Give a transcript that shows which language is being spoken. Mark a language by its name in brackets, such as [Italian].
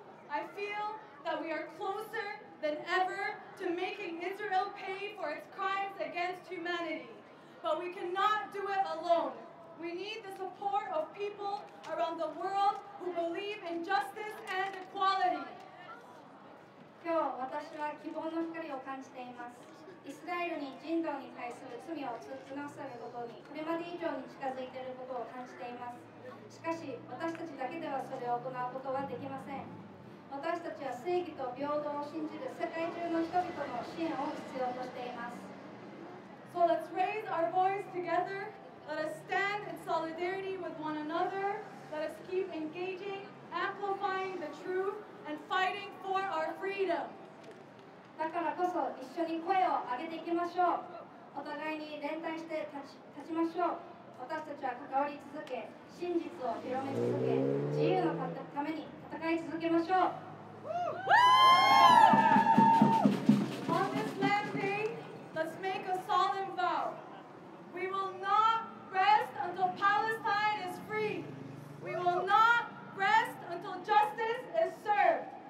[English] I feel that we are closer than ever to making Israel pay for its crimes against humanity. But we cannot do it alone. We need the support of people around the world who believe in justice and equality. [Japanese] 今日、私は希望の光を感じています。イスラエルに人道に対する罪を通じなされることに、これまで以上に近づいていることを感じています。しかし私たちだけではそれを行うことはできません。私たちは正義と平等を信じる世界中の人々の支援を必要としています。 [English] So let's raise our voice together. Let us stand in solidarity with one another. Let us keep engaging, amplifying the truth and fighting for our freedom. [Japanese] だからこそ一緒に声を上げていきましょう。お互いに連帯して立ちましょう。私たちは関わり続け、真実を広め続け、自由のために戦い続けましょう。 [English] On this land day, let's make a solemn vow. We will not rest until Palestine is free. We will not rest until justice is served.